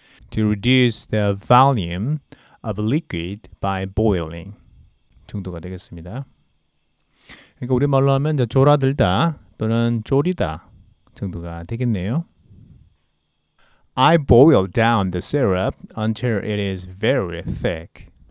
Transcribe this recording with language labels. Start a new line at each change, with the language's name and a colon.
English: To reduce the volume of a liquid by boiling.
Korean: 정도가 되겠습니다. 그러니까 우리말로 하면 이제 졸아들다 또는 졸이다 정도가 되겠네요.
English: I boil down the syrup until it is very thick.